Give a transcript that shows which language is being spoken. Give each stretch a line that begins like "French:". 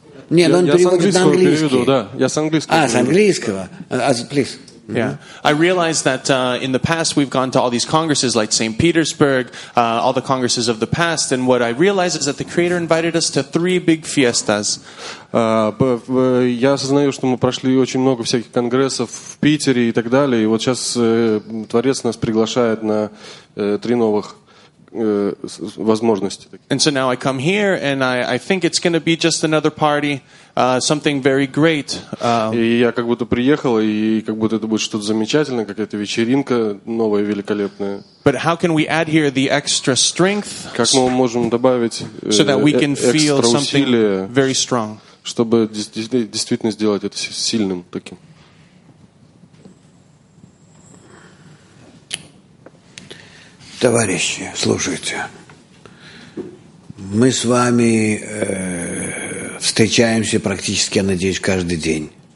Russian: Нет, он переводит на английский. Я с английского. С английского.
English: As please. Mm-hmm. Yeah, I realize that in the past we've gone to all these congresses like St. Petersburg, all the congresses of the past, and what I realize is that the Creator invited us to three big fiestas.
Russian: Я осознаю, что мы прошли очень много всяких конгрессов в Питере и так далее, и вот сейчас Творец нас приглашает на три новых возможности.
English: And so now I come here, and I think it's going to be just another party. Something very great.
Russian: И я как будто приехал, и как будто это будет что-то замечательное, какая-то вечеринка новая, великолепная.
English: But how can we add here the extra strength?
Russian: Как мы можем добавить
English: so that we can feel something very strong.
Russian: Чтобы действительно сделать это сильным таким. Товарищи, слушайте. Мы с вами встречаемся практически, я надеюсь, каждый день.